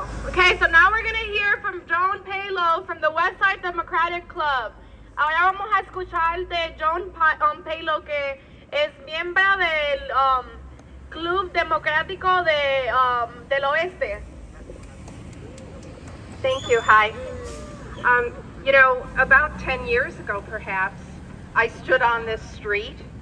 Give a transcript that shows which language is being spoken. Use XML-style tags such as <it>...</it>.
<en>Okay, so now we're gonna hear from Joan Palo from the Westside Democratic Club.</en> <es>Ahora vamos a escuchar de Joan Palo, que es miembro del Club Democrático del Oeste.</es> <en>Thank you. Hi. You know, about 10 years ago, perhaps, I stood on this street.</en>